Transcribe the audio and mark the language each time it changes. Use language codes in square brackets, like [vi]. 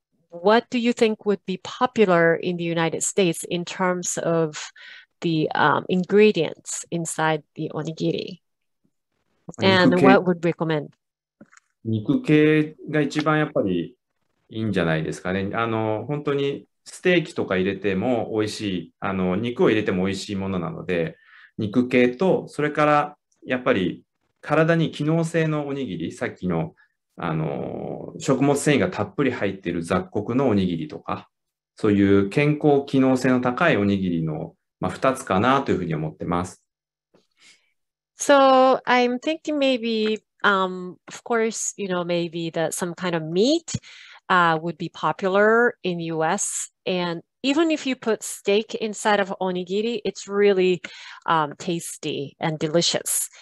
[en] What do you think would be popular in the United States in terms of... the ingredients inside the onigiri and what would recommend? [ja] 肉系が一番やっぱりいいんじゃないですかね。本当にステーキとか入れても美味しい、肉を入れても美味しいものなので、肉系と、それからやっぱり体に機能性のおにぎり、さっきの、食物繊維がたっぷり入っている雑穀のおにぎりとか、そういう健康機能性の高いおにぎりのまあ、2つかなというふうに思ってます。 [en] So I'm thinking maybe, of course, you know, maybe that some kind of meat, would be popular in the US. And even if you put steak inside of onigiri, it's really, tasty and delicious.